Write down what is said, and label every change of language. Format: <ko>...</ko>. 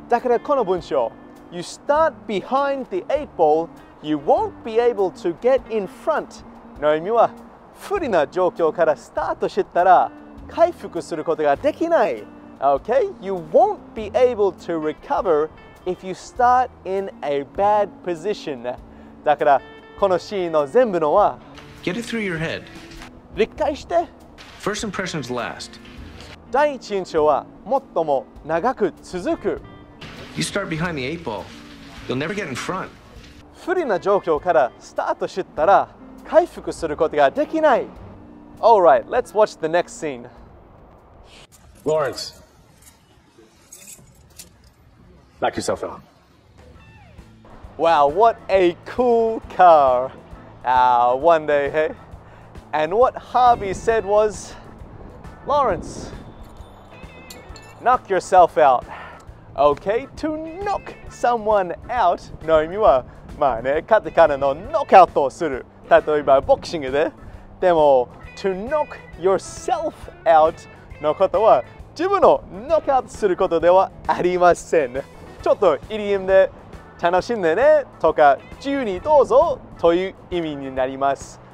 <ja>だからこの文章、</ja> <en>You start behind the eight ball, you won't be able to get in front</en> <ja>の意味は、不利な状況からスタートしたら、回復することができない。</ja> <en>Okay, you won't be able to recover if you start in a bad position.</en> <ja>だからこのシーンの全部のは</ja> <en>Get it through your head.</en> <ja>理解して</ja> <en>First impressions last.</en> <ja>第一印象は最も長く続く</ja> <en>You start behind the eight ball. You'll never get in front.</en> <ja>不利な状況からスタートしたら回復することができない</ja> <en>All right, let's watch the next scene. Lawrence. Knock yourself out. Wow, what a cool car. One day, hey? And what Harvey said was, Lawrence, knock yourself out. Okay, to knock someone out,</en> <ja>の意味は、まあね、勝手からのノックアウトをする。例えば、ボクシングで。でも、</ja> <en>to knock yourself out</en> <ja>のことは、自分をノックアウトすることではありません。ちょっとイディオムで楽しんでねとか自由にどうぞという意味になります。</ja>